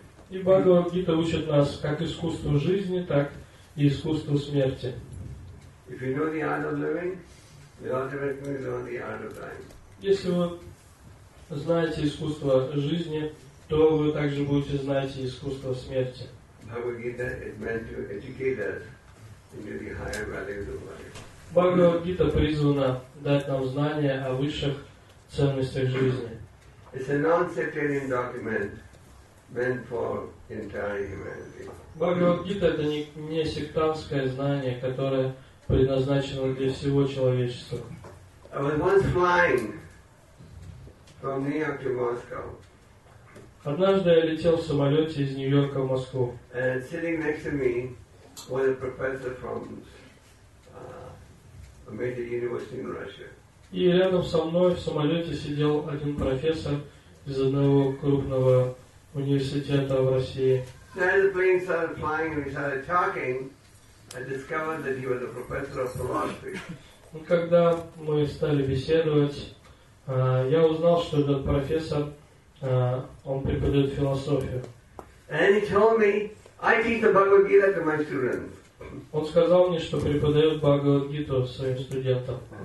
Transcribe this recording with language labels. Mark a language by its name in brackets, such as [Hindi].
[Russian] И Бхагавад-гита учит нас как искусству жизни, так и искусству смерти. [English] If you know the art of living, the ultimate thing is the art of dying. [Russian] Если вы знаете искусство жизни, то вы также будете знать искусство смерти. [English] Bhagavad-gita is meant to educate us into the higher values of life. [Russian] Бхагавад-гита призвана дать нам знания о высших ценностях жизни. [English] It's a non-sectarian document meant for entire humanity. [Russian] Бхагавад-гита — это не сектантское знание, которое предназначено для всего человечества. [English] I was once flying from New York to Moscow. [Russian] Однажды я летел в самолете из Нью-Йорка в Москву. [English] And sitting next to me was a professor from a major university in Russia. [Russian] И рядом со мной в самолете сидел один профессор из одного крупного университета в России. [English] So as the plane started flying and we started talking, I discovered that he was a professor of philosophy. [Russian] Когда мы стали беседовать, я узнал, что этот профессор, он преподает философию. [English] And he told me, I teach the Bhagavad-gita to my students. [Russian] Он сказал мне, что преподает Бхагавад-гиту своим студентам.